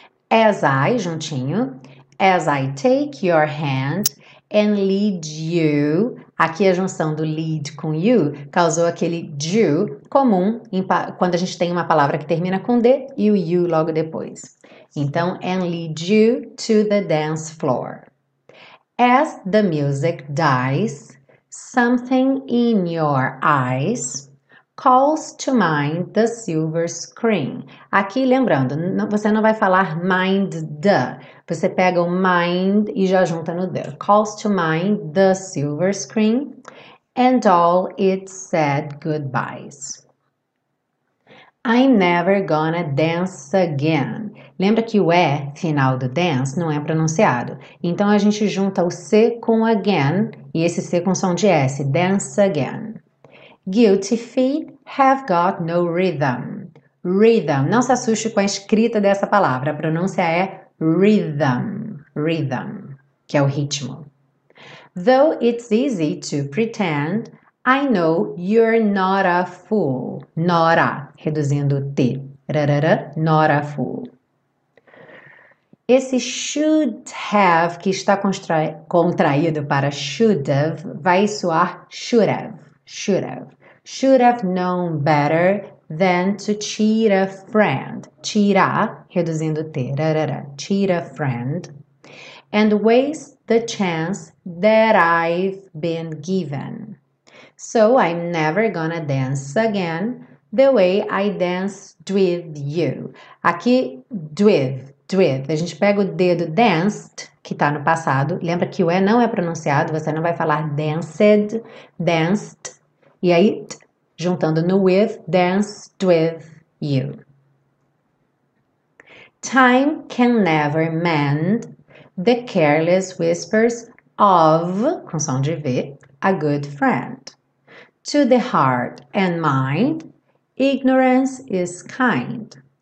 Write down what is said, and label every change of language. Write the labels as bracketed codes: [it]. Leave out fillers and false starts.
[en] As I, juntinho, as I take your hand and lead you. [pt] Aqui a junção do lead com you causou aquele do comum quando a gente tem uma palavra que termina com D e o you logo depois. [en] Então, and lead you to the dance floor. As the music dies, something in your eyes calls to mind the silver screen. [pt] Aqui, lembrando, você não vai falar mind the. Você pega o mind e já junta no the. [en] Calls to mind the silver screen and all its sad goodbyes. I'm never gonna dance again. [pt] Lembra que o E final do dance não é pronunciado. Então a gente junta o C com again e esse C com som de S. [en] Dance again. Guilty feet have got no rhythm. Rhythm. [pt] Não se assuste com a escrita dessa palavra. A pronúncia é rhythm. Rhythm, que é o ritmo. [en] Though it's easy to pretend, I know you're not a fool. [pt] Nora, reduzindo T. Rarara, [en] not a fool. [pt] Esse should have, que está contraído para should have, vai soar should have, should have. [en] Should have known better than to cheat a friend. [pt] Tirar, reduzindo T, rarara, [en] cheat a friend. And waste the chance that I've been given. So I'm never gonna dance again the way I danced with you. [pt] Aqui, with. With. A gente pega o dedo danced, que está no passado. Lembra que o E não é pronunciado, você não vai falar danced, danced. E aí, juntando no with, [en] danced with you. Time can never mend the careless whispers of, [pt] com som de V, [en] a good friend. To the heart and mind, ignorance is kind.